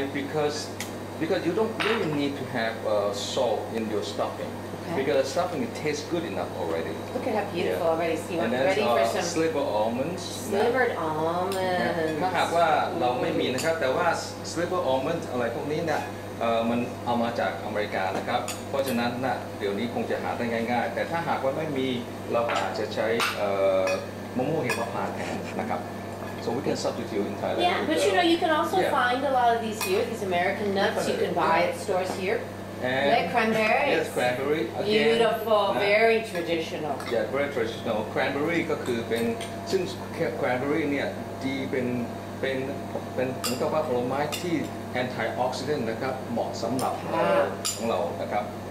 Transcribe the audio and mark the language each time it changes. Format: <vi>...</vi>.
<en>Because you don't really need to have salt in your stuffing. Okay. Because the stuffing tastes good enough already. Look at how beautiful already. See, ready for some slivered almonds. Slivered almonds.</en> <th>ถ้าหากว่าเราไม่มี นะครับ แต่ว่า slivered almonds อะไรพวกนี้นะ มันเอามาจากอเมริกานะครับเพราะฉะนั้นน่ะเดี๋ยวนี้คงจะหาได้ง่ายๆแต่ถ้าหากว่าไม่มีเราอาจจะใช้มะม่วงหิมพานต์แทนนะครับ</th> <en>So we can substitute in Thailand. Yeah, but you know you can also find a lot of these here, these American nuts you can buy at stores here. And like cranberries. Yes, cranberry. Again. Beautiful, very traditional. Yeah, very traditional.</en> <th>Cranberry ก็คือเป็น</th> <en>since cranberry</en> <th>เนี่ยดีเป็นผลไม้ที่ antioxidant นะครับ เหมาะสำหรับ ของเรานะครับ</th>